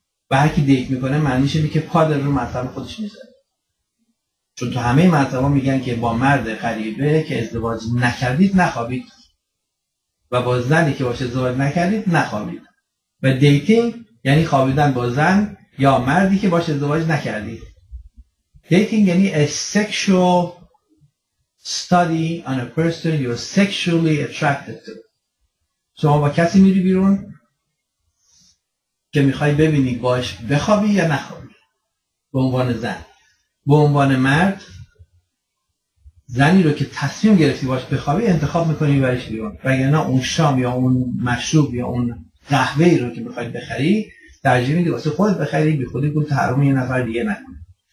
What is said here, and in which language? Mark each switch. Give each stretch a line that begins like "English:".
Persian: و هر کی دیت میکنه معنیش اینه که پادر رو مذهب خودش میذاره. چون تو همه مذهبا میگن که با مرد غریبه که ازدواج نکردید نخوابید و با زنی که باشه ازدواج نکردید نخوابید. و دیتینگ یعنی خوابیدن با زن یا مردی که باشه ازدواج نکردید. دیتینگ یعنی
English: a sexual study on a person you are sexually attracted to.
Persian: شما با کسی میری بیرون که میخوای ببینی باش بخوابی یا نخوابی. به عنوان زن. به عنوان مرد زنی رو که تصمیم گرفتی باش بخوابی انتخاب میکنی برش بیرون. وگرنه اون شام یا اون مشروب یا اون قهوه رو که بخوای بخری ترجیح میدی واسه خودت بخری، بی خودی گفت تحرم یه نفر دیگه نکنه.